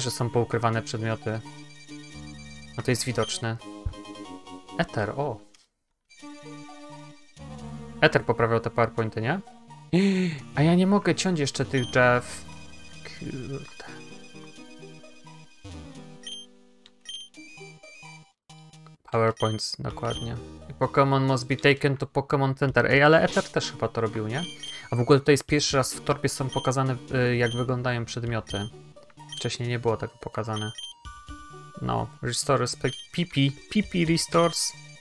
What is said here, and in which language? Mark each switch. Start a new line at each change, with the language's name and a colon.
Polish: Że są poukrywane przedmioty. No to jest widoczne. Ether, o! Ether poprawiał te powerpointy, nie? A ja nie mogę ciąć jeszcze tych drzew. Kurde. Powerpoints, dokładnie.
English: Pokemon must be taken to Pokemon Center.
Polish: Ej, ale Ether też chyba to robił, nie? A w ogóle tutaj jest pierwszy raz w torbie są pokazane, jak wyglądają przedmioty. Wcześniej nie było tak pokazane. No,
English: restore respect. Pipi restores.